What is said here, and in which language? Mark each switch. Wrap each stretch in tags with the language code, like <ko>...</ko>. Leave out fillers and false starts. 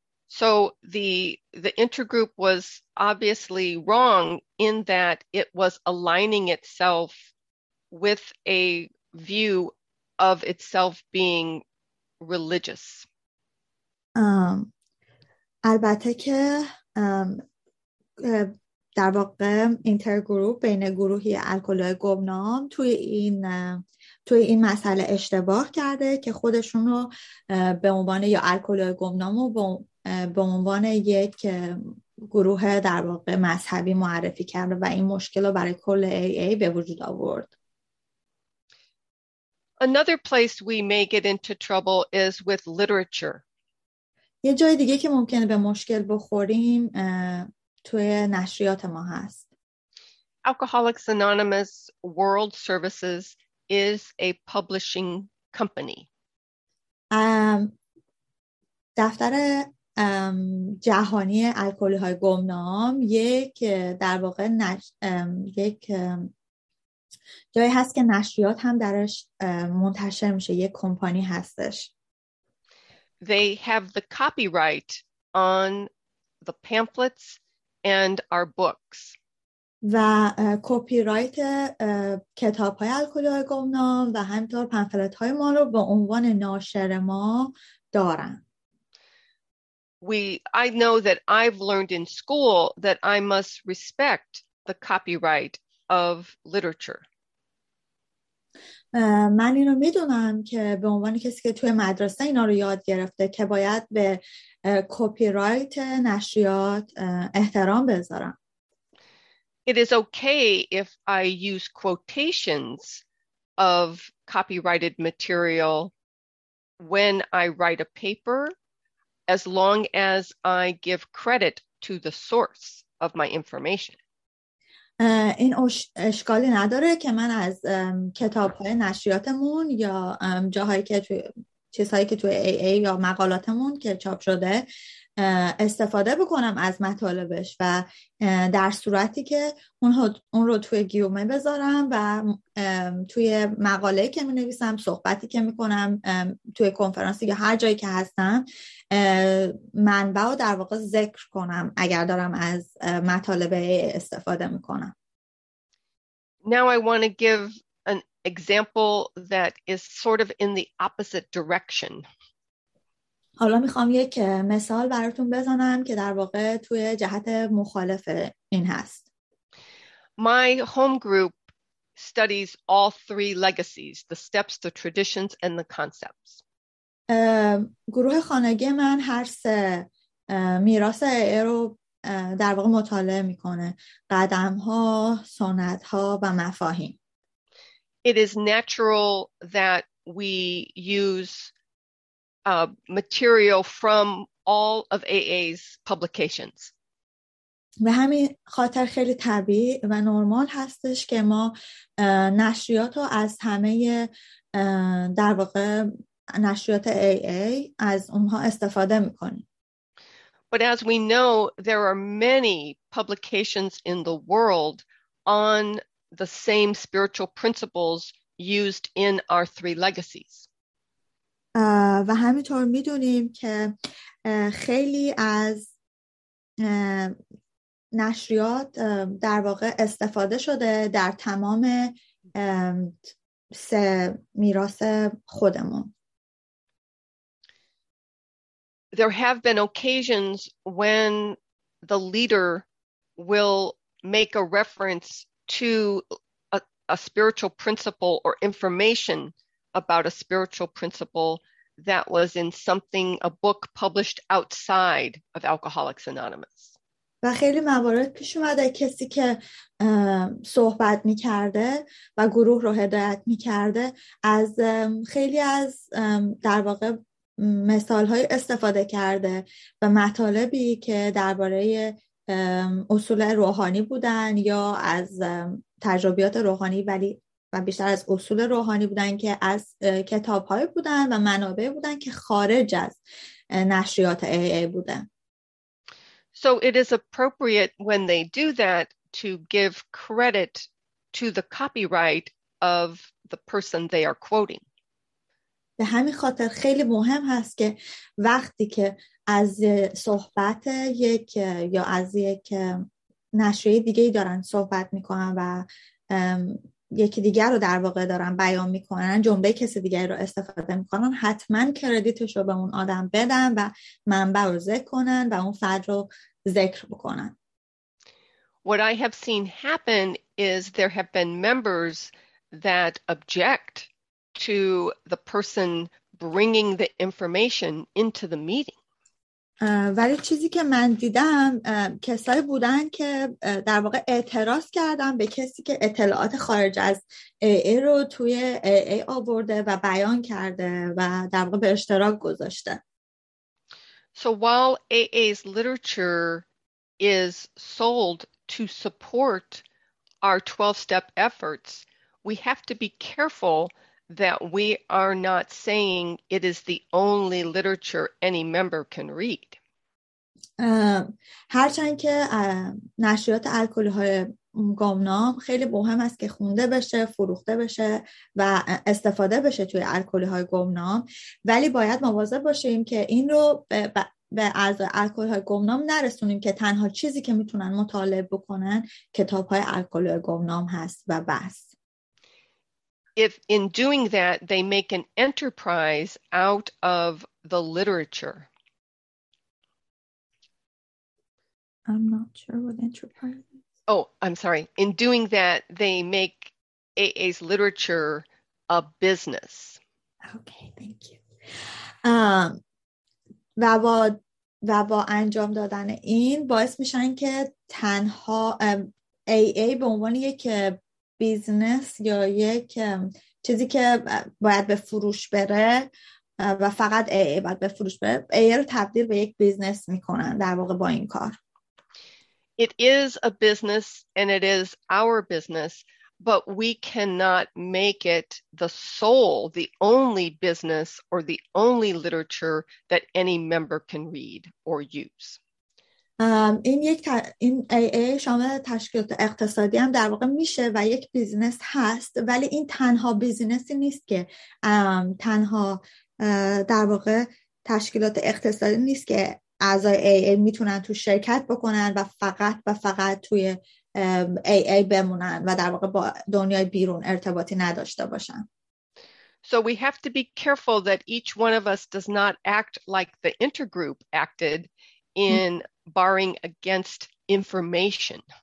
<en>So the intergroup was obviously wrong in that it was aligning itself with a view of itself being religious.</en> <fa>البته که در واقع اینترگروپ بین گروهی الکل‌های گمنام توی این مسئله اشتباه کرده که خودشون رو به عنوان یا الکل‌های گمنام رو به عنوان یک گروه در واقع مذهبی معرفی کرده و این مشکل رو برای کل AA به وجود آورد.</fa> <en>Another place we may get into trouble is with literature.</en> <fa>یه جای دیگه که ممکنه به مشکل بخوریم توی نشریات ما هست.</fa> <en>Alcoholics Anonymous World Services is a publishing company.</en> <fa>دفتر جهانی الکل‌های گمنام یک در واقع یک جایی هست که نشریات هم درش منتشر میشه، یک کمپانی هستش.</fa> <en>they have the copyright on the pamphlets and our books.</en> <fa>و کپی رایت کتاب‌های الکلی گمنام و همینطور پنفلت‌های ما رو به عنوان ناشر ما دارن.</fa> <en>I know that I've learned in school that I must respect the copyright of literature.</en> <fa>من اینو میدونم که به عنوان کسی که توی مدرسه اینا رو یاد گرفته که باید به کپی رایت نشریات احترام بذارم.</fa> <en>It is okay if I use quotations of copyrighted material when I write a paper, as long as I give credit to the source of my information.</en> <fa>این اشکالی نداره که من از کتاب‌های نشریاتمون یا جاهایی که توی چیزهایی که توی AA یا مقالاتمون که چاپ شده استفاده بکنم از مطالبش و در صورتی که اون رو توی گیومه بذارم و توی مقاله که می نویسم صحبتی که می کنم توی کنفرانسی یا هر جایی که هستم منبع رو در واقع ذکر کنم اگر دارم از مطالب استفاده می کنم.</fa> <en>Now I want to give an example that is sort of in the opposite direction.</en> <fa>حالا میخوام یک مثال براتون بزنم که در واقع توی جهت مخالف این هست.</fa> <en>My home group studies all three legacies, the steps, the traditions, and the concepts.</en> <fa>گروه خانگی من هر سه میراث ای رو در واقع مطالعه میکنه. قدم‌ها، سنت‌ها و مفاهیم.</fa> <en>It is natural that we use material from all of AA's publications.</en> <fa>به همین خاطر خیلی طبیعی و نرمال هستش که ما نشریات رو از همه در واقع نشریات AA از اونها استفاده میکنیم.</fa> <en>But as we know, there are many publications in the world on the same spiritual principles used in our three legacies.</en> <fa>و همینطور میدونیم که خیلی از نشریات در واقع استفاده شده در تمام سه میراث خودمون.</fa> <en>There have been occasions when the leader will make a reference to a spiritual principle or information about a spiritual principle that was in something, a book published outside of Alcoholics Anonymous.</en> <fa>و خیلی موارد پیش اومده کسی که صحبت می کرده و گروه رو هدایت می کرده از خیلی از در واقع مثال های استفاده کرده و مطالبی که درباره اصول روحانی بودن یا از تجربیات روحانی ولی و بیشتر از اصول روحانی بودن که از کتاب‌های بودن و منابع بودن که خارج از نشریات AA بودن.</fa> <en>So it is appropriate when they do that to give credit to the copyright of the person they are quoting.</en> <fa>به همین خاطر خیلی مهم هست که وقتی که از صحبت یک یا از یک نشریه دیگه دارن صحبت میکنن و یکی دیگر رو در واقع دارن بیان میکنن جمله کسی دیگری رو استفاده میکنن حتما کردیتش رو به اون آدم بدن و منبع رو ذکر کنن و اون فرد رو ذکر بکنن.</fa> <en>What I have seen happen is there have been members that object to the person bringing the information into the meeting.</en> <fa>ولی چیزی که من دیدم کسایی بودن که در واقع اعتراض کردن به کسی که اطلاعات خارج از AA رو توی AA آورده و بیان کرده و در واقع به اشتراک گذاشته.</fa> <en>So while AA's literature is sold to support our 12-step efforts, we have to be careful that we are not saying it is the only literature any member can read.</en> <fa>هرچند که نشریات الکلی های گامنام خیلی مهم است که خونده بشه، فروخته بشه و استفاده بشه توی الکلی های گمنام، ولی باید مواظب باشیم که این رو به اعضای الکلی های گمنام نرسونیم که تنها چیزی که میتونن مطالعه بکنن کتاب های الکلی های گمنام هست و بس.</fa> <en>If in doing that they make an enterprise out of the literature. I'm not sure what enterprise is. Oh, I'm sorry. In doing that they make AA's literature a business. Okay, thank you.</en> <fa>و با انجام دادن این باعث میشن که تنها AA به عنوان یک بیزنس یا یک چیزی که باید به فروش بره و فقط AA باید به فروش بره، AA رو تبدیل به یک بیزنس میکنن در واقع با این کار.</fa> <en>It is a business and it is our business, but we cannot make it the sole, the only business or the only literature that any member can read or use.</en> <fa>این AA شامل تشکیلات اقتصادی هم در واقع میشه و یک بیزنس هست، ولی این تنها بیزنسی نیست که تنها در واقع تشکیلات اقتصادی نیست که اعضای AA میتونن تو شرکت بکنن و فقط توی AA بمونن و در واقع با دنیای بیرون ارتباطی نداشته باشن.</fa> <en>So we have to be careful that each one of us does not act like the intergroup acted in barring against information.</en>